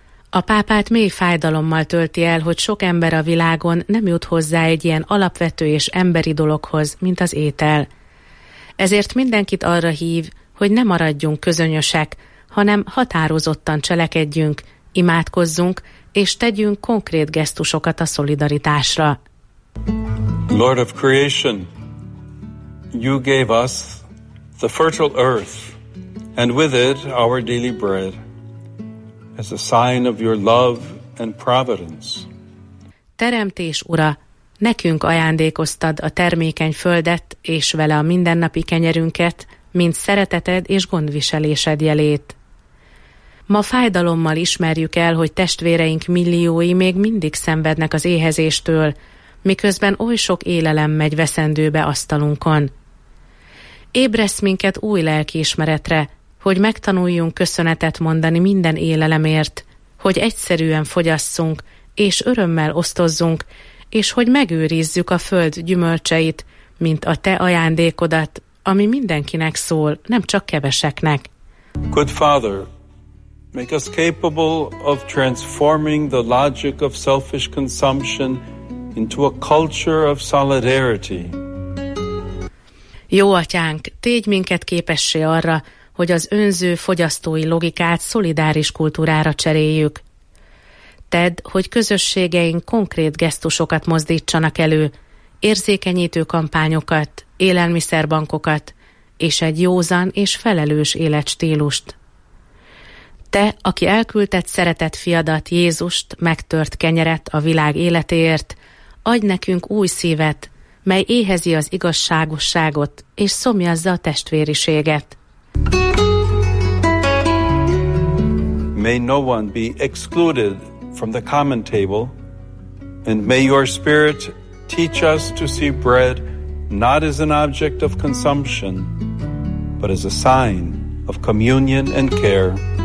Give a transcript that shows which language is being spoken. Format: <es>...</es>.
<hu>A pápát mély fájdalommal tölti el, hogy sok ember a világon nem jut hozzá egy ilyen alapvető és emberi dologhoz, mint az étel. Ezért mindenkit arra hív, hogy ne maradjunk közönösek, hanem határozottan cselekedjünk, imádkozzunk, és tegyünk konkrét gesztusokat a szolidaritásra.</hu> <en>Lord of creation, you gave us the fertile earth, and with it our daily bread, as a sign of your love and providence.</en> <hu>Teremtés ura, nekünk ajándékoztad a termékeny földet, és vele a mindennapi kenyerünket, mint szereteted és gondviselésed jelét. Ma fájdalommal ismerjük el, hogy testvéreink milliói még mindig szenvednek az éhezéstől, miközben oly sok élelem megy veszendőbe asztalunkon. Ébresz minket új lelkiismeretre, hogy megtanuljunk köszönetet mondani minden élelemért, hogy egyszerűen fogyasszunk és örömmel osztozzunk, és hogy megőrizzük a föld gyümölcseit, mint a te ajándékodat, ami mindenkinek szól, nem csak keveseknek.</hu> <en>Good Father, make us capable of transforming the logic of selfish consumption into a culture of solidarity.</en> <hu>Jó atyánk, tégy minket képessé arra, hogy az önző fogyasztói logikát szolidáris kultúrára cseréljük. Tedd, hogy közösségeink konkrét gesztusokat mozdítsanak elő, érzékenyítő kampányokat, élelmiszerbankokat és egy józan és felelős életstílust. Te, aki elküldted szeretett fiadat, Jézust, megtört kenyeret a világ életéért, adj nekünk új szívet, mely éhezi az igazságosságot és szomjazza a testvériséget.</hu> <en>May no one be excluded from the common table, and may your spirit teach us to see bread not as an object of consumption, but as a sign of communion and care.</en>